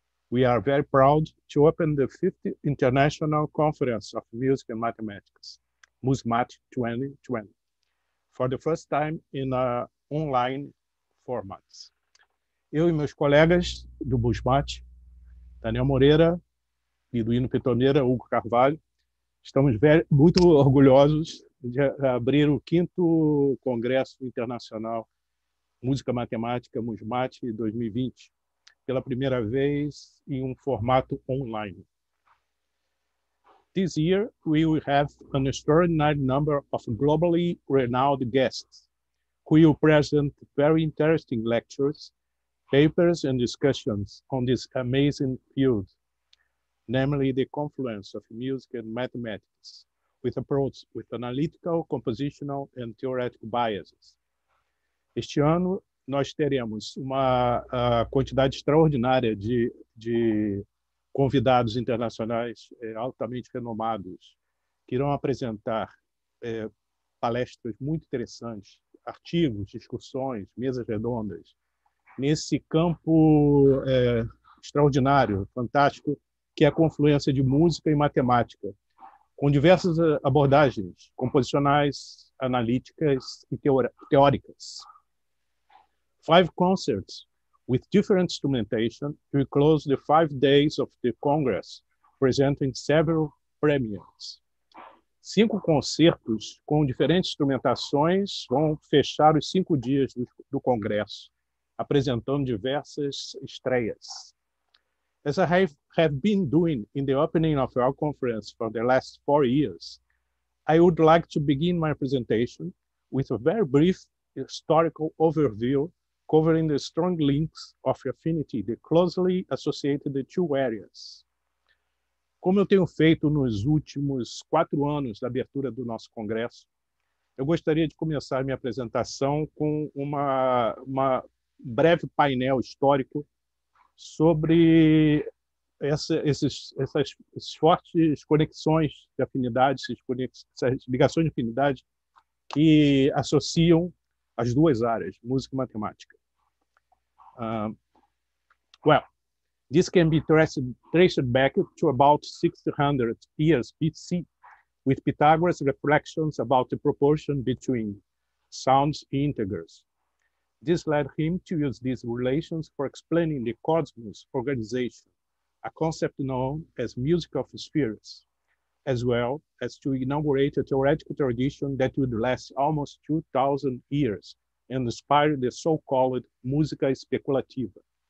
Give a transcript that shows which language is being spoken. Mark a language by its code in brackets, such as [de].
[en] We are very proud to open the 50th International Conference of Music and Mathematics, MusMat 2020, for the first time in an online format. [pt] Eu e meus colegas do MusMat, Daniel Moreira, Liduino Pitombeira, Hugo Carvalho, estamos muito orgulhosos de abrir o 5º Congresso Internacional Música Matemática MusMat 2020. Pela primeira vez em formato online. [en] This year, we will have an extraordinary number of globally renowned guests who will present very interesting lectures, papers, and discussions on this amazing field, namely the confluence of music and mathematics with approach with analytical, compositional, and theoretical biases. [pt] Este ano, nós teremos uma quantidade extraordinária de convidados internacionais altamente renomados que irão apresentar palestras muito interessantes, artigos, discussões, mesas redondas, nesse campo extraordinário, fantástico, que é a confluência de música e matemática, com diversas abordagens composicionais, analíticas e teóricas. [en] 5 concerts with different instrumentation will close the 5 days of the Congress, presenting several premieres. [pt] 5 concertos com diferentes instrumentações vão fechar os 5 dias do Congresso, apresentando diversas estreias. [en] As I have been doing in the opening of our conference for the last 4 years, I would like to begin my presentation with a very brief historical overview covering the strong links of affinity that closely associated the two areas. [pt] Como eu tenho feito nos últimos 4 anos da abertura do nosso congresso, eu gostaria de começar minha apresentação com uma breve painel histórico sobre essas fortes conexões de afinidade, essas ligações de afinidade que associam as duas áreas, música e matemática. [en] Well, this can be traced back to about 600 years BC with Pythagoras' reflections about the proportion between sounds and integers. This led him to use these relations for explaining the cosmos organization, a concept known as music of spheres, as well as to inaugurate a theoretical tradition that would last almost 2,000 years and inspired the so-called [pt] música especulativa.